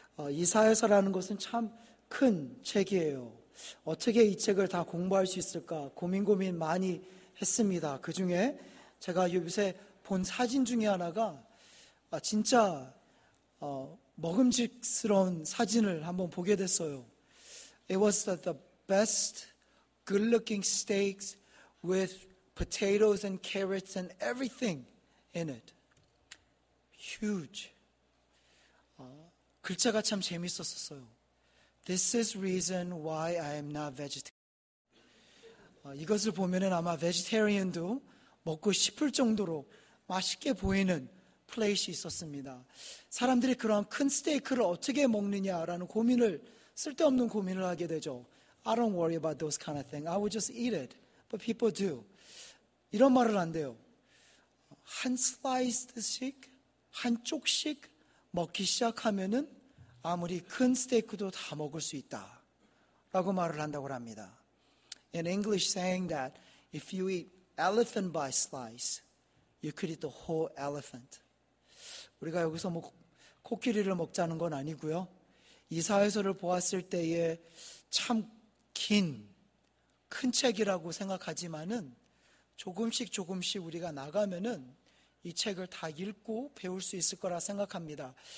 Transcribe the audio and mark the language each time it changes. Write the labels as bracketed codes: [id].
[ko] 이사야서라는 것은 참 큰 책이에요. 어떻게 이 책을 다 공부할 수 있을까 고민 많이 했습니다. 그 중에 제가 요새 본 사진 중에 하나가 진짜 먹음직스러운 사진을 한번 보게 됐어요. [en] It was the best good-looking steaks with potatoes and carrots and everything in it. Huge. [ko] 글자가 참 재밌었어요. [en] This is reason why I am not vegetarian. [ko] 이것을 보면은 아마 베지테리언도 먹고 싶을 정도로 맛있게 보이는 플레이시 있었습니다. 사람들이 그런 큰 스테이크를 어떻게 먹느냐라는 고민을 쓸데없는 고민을 하게 되죠. [en] I don't worry about those kind of things. I would just eat it. But people do. [ko] 이런 말을 한대요. 한 슬라이스씩, 한 쪽씩 먹기 시작하면은 아무리 큰 스테이크도 다 먹을 수 있다. 라고 말을 한다고 합니다. [en] In English saying that if you eat elephant by slice, you could eat the whole elephant. [ko] 우리가 여기서 뭐 코끼리를 먹자는 건 아니고요. 이 사회서를 보았을 때에 참 긴, 큰 책이라고 생각하지만은 조금씩 조금씩 우리가 나가면은 이 책을 다 읽고 배울 수 있을 거라 생각합니다.